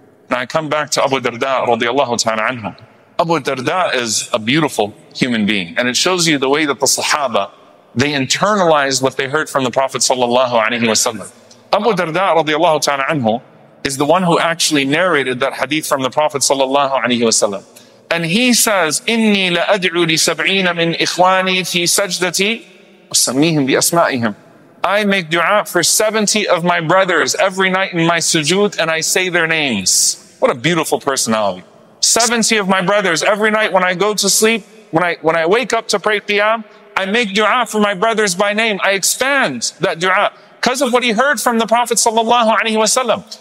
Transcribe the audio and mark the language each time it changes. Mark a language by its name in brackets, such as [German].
[English] Now I come back to Abu Darda radiallahu ta'ala anhu. Abu Darda is a beautiful human being, and it shows you the way that the Sahaba, they internalized what they heard from the Prophet sallallahu alaihi wasallam. Abu Darda radiallahu ta'ala anhu is the one who actually narrated that hadith from the Prophet sallallahu alaihi wasallam. And he says, [Arabic] إِنِّي لَأَدْعُوا لِسَبْعِينَ مِنْ إِخْوَانِي فِي سَجْدَتِي وَسَمِّيهِمْ بِأَسْمَائِهِمْ. [English] I make dua for 70 of my brothers every night in my sujood, and I say their names. What a beautiful personality. 70 of my brothers every night when I go to sleep, when I wake up to pray qiyam, I make dua for my brothers by name. I expand that dua because of what he heard from the Prophet sallallahu alaihi wasallam.